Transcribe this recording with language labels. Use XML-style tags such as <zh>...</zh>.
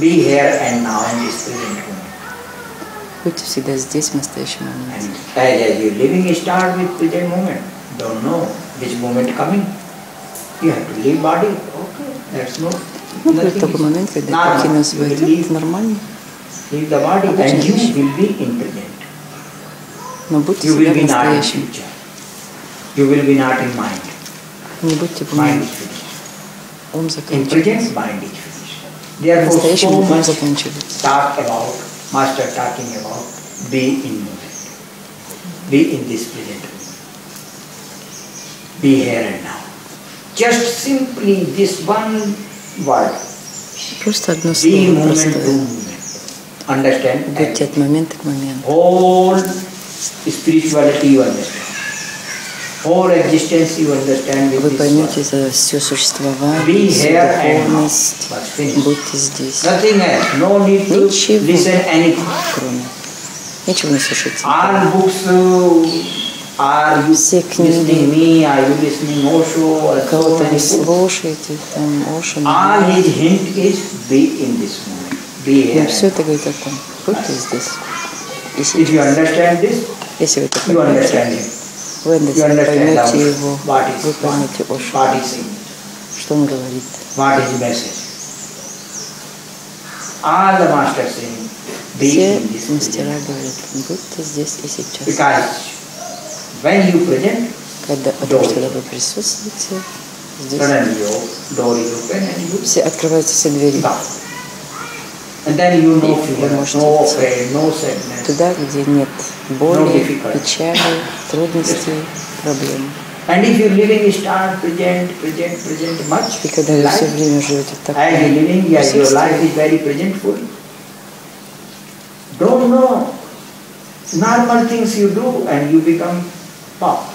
<en>Be here and now in this present moment.</en> <ru>Будьте всегда здесь, в настоящем моменте.</ru> <en>And as you're living, you start with present moment. Don't know which moment coming. You have to leave body. Okay, that's no.</en> <ru>Ну, будет такой момент, когда картина свой тело нормально.</ru> <en>Leave the body and you will be in present.</en> <ru>Но будьте всегда в настоящем.</ru> <en>You will be not in future. You will be not in mind.</en> <ru>Не будьте в момент.</ru> <en>Mind is finished.</en> <ru>Ум закончился.</ru> <en>In present, mind is finished.</en> <ru>В настоящем ум закончился.</ru> <en>Talk about Master talking about be in moment, be in this present moment, be here and now. Just simply this one word. Just</en> <ru>одно слово.</ru> <en>Be moment to moment. Understand?</en> <ru>Будьте от момента к моменту.</ru> <en>Whole spirituality you understand. Whole existence you understand.</en> <ru>Вы поймете за все существование, все духовность. Будьте здесь.</ru> <en>Nothing else. No need to</en> <ru>ничего,</ru> <en>listen anything.</en> <ru>Кроме. Ничего не слушайте.</ru> <en>All books are you</en> <ru>все книги.</ru> <en>Listening me? Are you listening Osho?</en> <ru>Кого-то вы слушаете там Osho?</ru> <en>All his hint is be in this moment. Be here.</en> <ru>Все это говорит о том, будьте здесь. Если</ru> <en>if you understand this,</en> <ru>если вы это</ru> <en>you understand it.</en> <ru>Вы поймете его, вы поймете Osho, что он говорит.</ru> <en>What is the message? All the masters saying, be</en> <ru>все</ru> <en>in this</en> <ru>мастера говорят, будьте здесь и сейчас.</ru> <en>Because when you present,</en> <ru>когда, потому что когда вы присутствуете, здесь</ru> <en>suddenly your door is open and you</en> <ru>все открываются все двери.</ru> <en>And then you know future, no pain, no sadness.</en> <ru>Туда, где нет боли, печали, трудностей, проблем.</ru> <en>And if you're living, start present much.</en> <ru>И когда вы все время живете так,</ru> <en>as you're living, yes, your life is very presentful. Don't know normal things you do, and you become pop.</en>